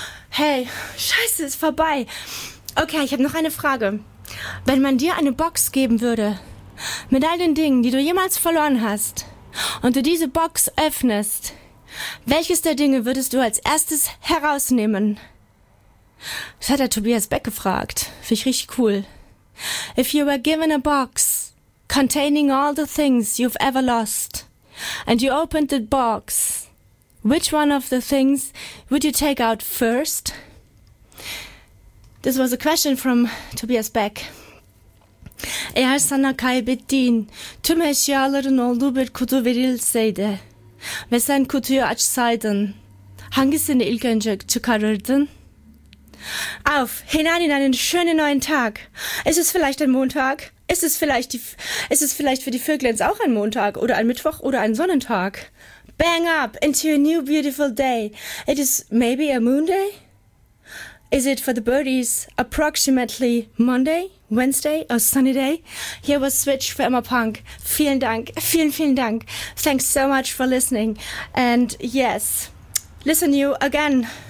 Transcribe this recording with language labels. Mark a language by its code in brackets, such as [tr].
[de] Hey, scheiße, ist vorbei. Okay, ich habe noch eine Frage. Wenn man dir eine Box geben würde, mit all den Dingen, die du jemals verloren hast, und du diese Box öffnest, welches der Dinge würdest du als erstes herausnehmen? Das hat der Tobias Beck gefragt. Finde ich richtig cool. [en] If you were given a box containing all the things you've ever lost, and you opened the box, which one of the things would you take out first? This was a question from Tobias Beck. [tr] Eğer sana kaybettiğin tüm eşyaların olduğu bir kutu verilseydi ve sen kutuyu açsaydın, hangisini ilk önce çıkarırdın? [de] Auf, hinein in einen schönen neuen Tag. Ist es vielleicht ein Montag? Ist es vielleicht für die Vöglein auch ein Montag oder ein Mittwoch oder ein Sonnentag? [en] Bang up into a new beautiful day. It is maybe a moon day? Is it for the birdies approximately Monday, Wednesday or sunny day? Here was Switch for Emma Punk. [de] Vielen Dank. Vielen, vielen Dank. [en] Thanks so much for listening. And yes, listen to you again.